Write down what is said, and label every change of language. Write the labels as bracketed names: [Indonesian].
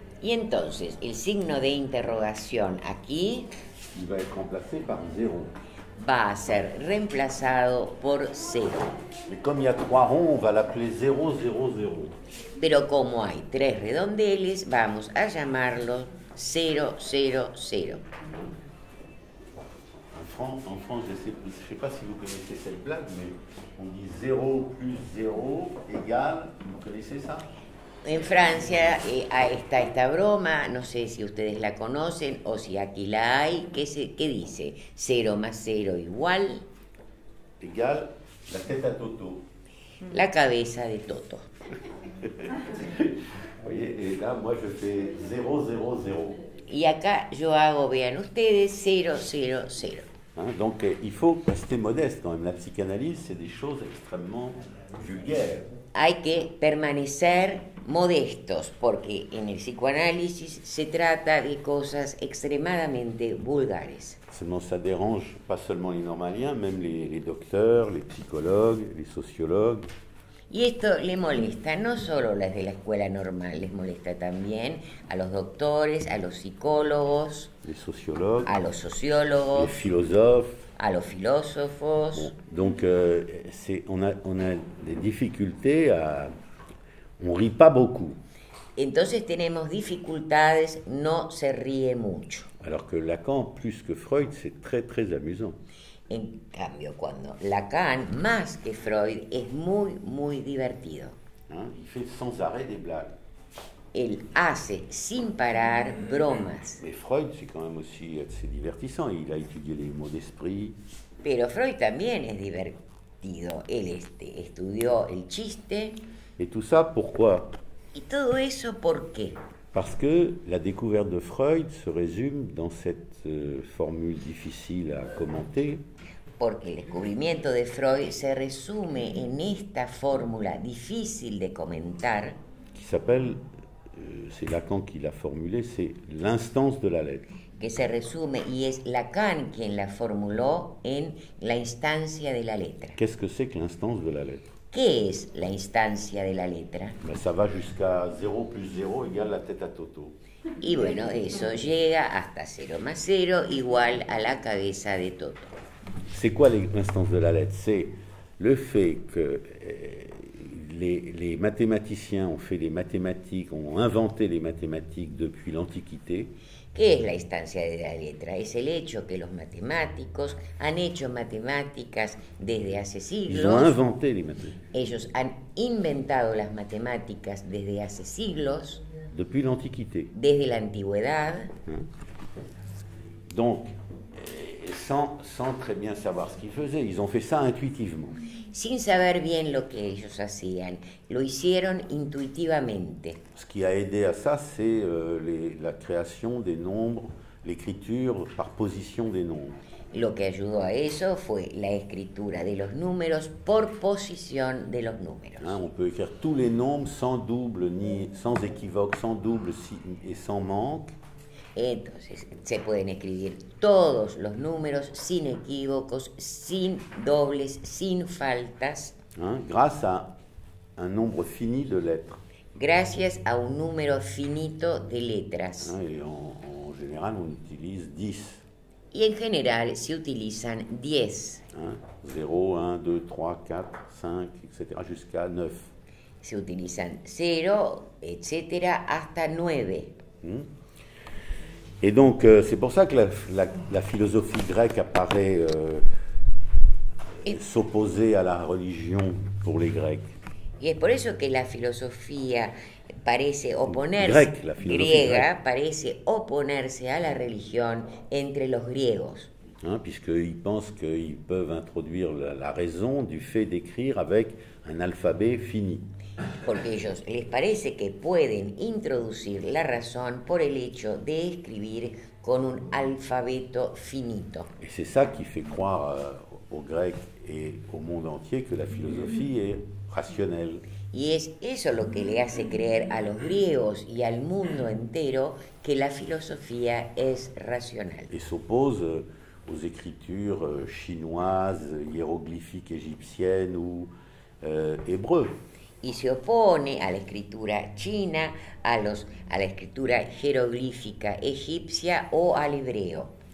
[Spanish] Y entonces el signo de interrogación aquí. [French] Il va être remplacé par zéro. [Spanish] Va a ser reemplazado por cero. [French] Mais comme il y a trois ronds, on va l'appeler 0, 0, 0. [Spanish] Pero como hay tres redondeles, vamos a llamarlo 0, 0, 0. [French] En France, je sais pas si vous connaissez cette blague, mais on dit 0 plus 0 égale, vous connaissez ça? [Spanish] En Francia está esta broma, no sé si ustedes la conocen o si aquí la hay, que dice 0 más 0 igual. [French] Égale la tête à Toto. [Spanish] La cabeza de Toto. [French] Et là, moi, je fais 0, 0, 0. [Spanish] Y acá yo hago, vean ustedes, 0, 0, 0. [French] Hein, donc, il faut rester modeste quand même. La psychanalyse, c'est des choses extrêmement vulgaires. [Spanish] Hay que permanecer modestos, porque en el psicoanálisis se trata de cosas extremadamente vulgares. [French] Seulement, ça dérange pas seulement les normaliens, même les docteurs, les psychologues, les sociologues. [Spanish] Y esto le molesta no solo a las de la escuela normal, les molesta también a los doctores, a los psicólogos, les sociólogos, a los sociólogos, [French] les philosophes, [Spanish] a los filósofos. [French] Donc c'est, on a des difficultés à on rit pas beaucoup. [Spanish] Entonces tenemos dificultades, no se ríe mucho. [French] Alors que Lacan plus que Freud, c'est très très amusant. [Spanish] En cambio, cuando Lacan, más que Freud, es muy, muy divertido. [French] Il fait sans arrêt des blagues. [Spanish] Él hace sin parar bromas. [French] Mais Freud, c'est quand même aussi assez divertissant. Il a étudié les mots d'esprit. [Spanish] Pero Freud también es divertido. Él estudió el chiste. [French] Et tout ça, pourquoi? [Spanish] Y todo eso, ¿por qué? [French] Parce que la découverte de Freud se résume dans cette formule difficile à commenter. [Spanish] Porque el descubrimiento de Freud se resume en esta fórmula difícil de comentar. [French] Qui s'appelle, c'est Lacan qui l'a formulé, c'est l'instance de la lettre. [Spanish] Que se resume y es Lacan quien la formuló en la instancia de la letra. [French] Qu'est-ce que c'est que l'instance de la lettre? [Spanish] ¿Qué es la instancia de la letra? [French] Mais ça va jusqu'à 0 plus 0 égale la tête à Toto. [Spanish] Y bueno, eso llega hasta 0 más 0 igual a la cabeza de Toto. [French] C'est quoi l'instance de la lettre? C'est le fait que les mathématiciens ont fait les mathématiques, ont inventé les mathématiques depuis l'Antiquité. [Spanish] ¿Qué es la instancia de la letra? Es el hecho que los matemáticos han hecho matemáticas desde hace siglos. [French] Ils ont inventé les mathématiques. [Spanish] Ellos han inventado las matemáticas desde hace siglos. [French] Depuis l'Antiquité. [Spanish] Desde la antigüedad. [French] Donc, sans très bien savoir ce qu'ils faisaient, ils ont fait ça intuitivement. [Spanish] Sin saber bien lo que ellos hacían, lo hicieron intuitivamente. [French] Ce qui a aidé à ça, c'est la création des nombres, l'écriture par position des nombres. [Spanish] Lo que ayudó a eso fue la escritura de los números por posición de los números. [French] On peut écrire tous les nombres sans double ni sans équivoque, sans double si, et sans manque. [Spanish] Entonces, se pueden escribir todos los números sin equívocos, sin dobles, sin faltas. [French] Grâce à un nombre fini de lettres. [Spanish] Gracias a un número finito de letras. En general, [French] on utilise 10. [Spanish] Y en general, se utilizan 10. [French] 0, 1, 2, 3, 4, 5, etc. jusqu'à 9. [Spanish] Se utilizan 0, etc. hasta 9. [French] Et donc, c'est pour ça que la philosophie grecque apparaît s'opposer à la religion pour les Grecs. Et c'est pour ça que la philosophie paraît opposer grecque, la philosophie grecque paraît opposer à la religion entre les Griegos. Puisqu'ils pensent qu'ils peuvent introduire la raison du fait d'écrire avec un alphabet fini. [Spanish] Porque ellos les parece que pueden introducir la razón por el hecho de escribir con un alfabeto finito. [French] Et c'est ça qui fait croire aux Grecs et au monde entier que la philosophie est rationnelle. [Spanish] Y es eso lo que le hace creer a los griegos y al mundo entero que la filosofía es racional. [French] Et s'oppose aux écritures chinoises, hiéroglyphiques égyptiennes ou hébreux. [Spanish] Y se opone a la escritura china, a la escritura jeroglífica egipcia o al hebreo.